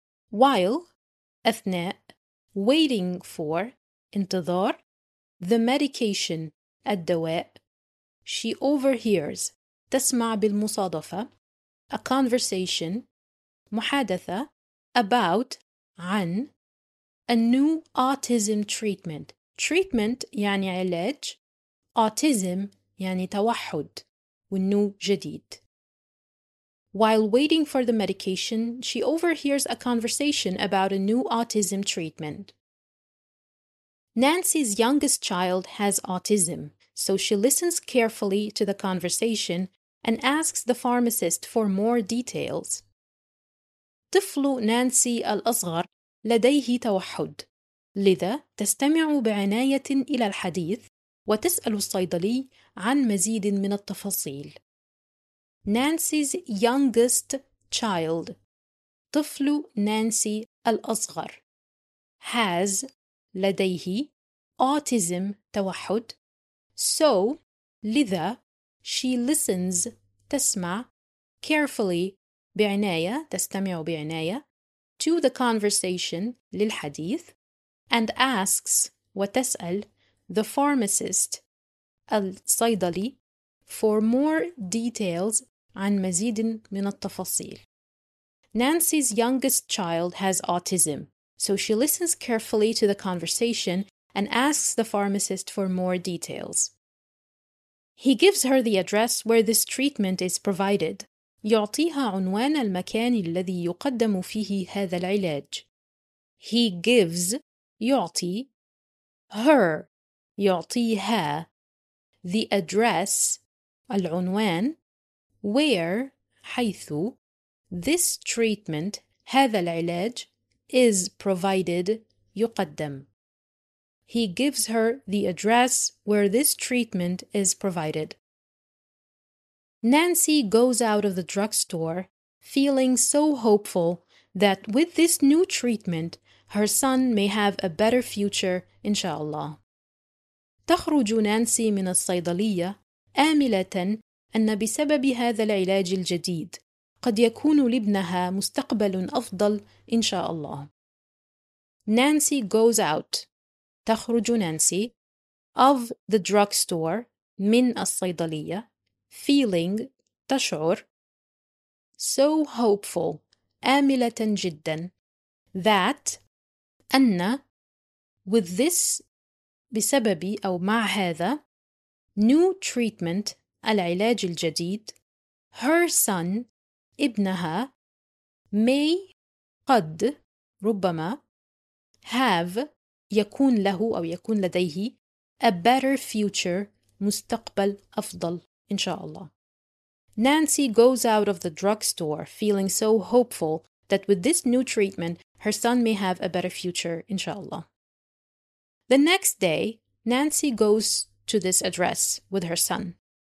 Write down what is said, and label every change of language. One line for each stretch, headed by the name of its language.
English: While,
Arabic: أثناء,
English: waiting for,
Arabic: انتظار,
English: the medication,
Arabic: الدواء,
English: she overhears,
Arabic: تسمع بالمصادفة,
English: a conversation,
Arabic: محادثة,
English: about,
Arabic: عن,
English: a new autism treatment.
Arabic: Treatment يعني علاج, autism يعني توحد, والنو جديد.
English: While waiting for the medication, she overhears a conversation about a new autism treatment. Nancy's youngest child has autism, so she listens carefully to the conversation and asks the pharmacist for more details.
Arabic: طفل نانسي الأصغر لديه توحد. لذا تستمع بعناية إلى الحديث وتسأل الصيدلي عن مزيد من التفاصيل.
English: Nancy's youngest child,
Arabic: طفل نانسي الأصغر,
English: has,
Arabic: لديه,
English: autism,
Arabic: توحد.
English: So,
Arabic: لذا,
English: she listens,
Arabic: تسمع,
English: carefully,
Arabic: بعناية, تستمع بعناية,
English: to the conversation,
Arabic: للحديث,
English: and asks,
Arabic: وتسأل,
English: the pharmacist,
Arabic: الصيدلي,
English: for more details,
Arabic: عن مزيد من التفاصيل.
English: Nancy's youngest child has autism, so she listens carefully to the conversation and asks the pharmacist for more details. He gives her the address where this treatment is provided.
Arabic: يعطيها عنوان المكان الذي يقدم فيه هذا العلاج.
English: He gives,
Arabic: يعطي,
English: her,
Arabic: يعطيها,
English: the address,
Arabic: العنوان,
English: where,
Arabic: حيث,
English: this treatment,
Arabic: هذا العلاج,
English: is provided,
Arabic: يقدم.
English: He gives her the address where this treatment is provided. Nancy goes out of the drugstore feeling so hopeful that with this new treatment, her son may have a better future, inshallah.
Arabic: تخرج نانسي من الصيدلية آملة أن بسبب هذا العلاج الجديد قد يكون لابنها مستقبل أفضل إن شاء الله.
English: Nancy goes out.
Arabic: تخرج نانسي
English: of the drugstore
Arabic: من الصيدلية
English: feeling
Arabic: تشعر
English: so hopeful
Arabic: آملة جدا
English: that
Arabic: أن
English: with this
Arabic: بسبب أو مع هذا
English: new treatment
Arabic: العلاج الجديد
English: her son
Arabic: ابنها
English: may
Arabic: قد ربما
English: have
Arabic: يكون له أو يكون لديه
English: a better future
Arabic: مستقبل أفضل إن شاء الله.
English: Nancy goes out of the drugstore feeling so hopeful that with this new treatment her son may have a better future إن شاء الله. The next day, Nancy goes to this address with her son.